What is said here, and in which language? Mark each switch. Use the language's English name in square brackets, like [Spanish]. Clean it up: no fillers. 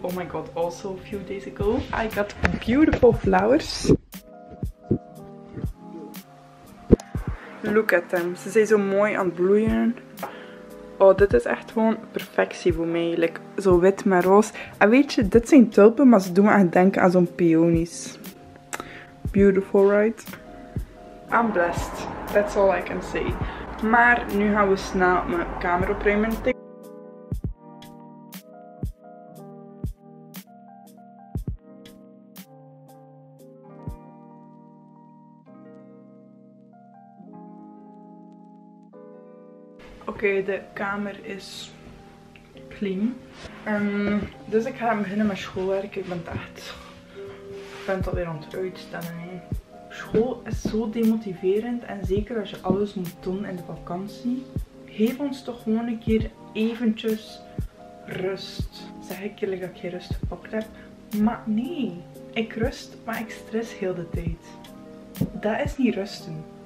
[English] Oh my god, also a few days ago. I got beautiful flowers. Look at them. [Dutch] Ze zijn zo mooi aan het bloeien. Oh, dit is echt gewoon perfectie voor mij. Like, zo wit met roze. En weet je, dit zijn tulpen, maar ze doen me aan denken aan zo'n peonies. [English] Beautiful, right? I'm blessed. That's all I can say. [Dutch] Maar nu gaan we snel mijn kamer opruimen. Oké, de kamer is clean. Dus ik ga beginnen met schoolwerk. Ik ben echt... Ik ben het alweer aan het uitstellen. Hè. School is zo demotiverend. En zeker als je alles moet doen in de vakantie. Geef ons toch gewoon een keer eventjes rust. Zeg ik eerlijk dat ik geen rust gepakt heb. Maar nee. Ik rust, maar ik stress heel de tijd. Dat is niet rusten.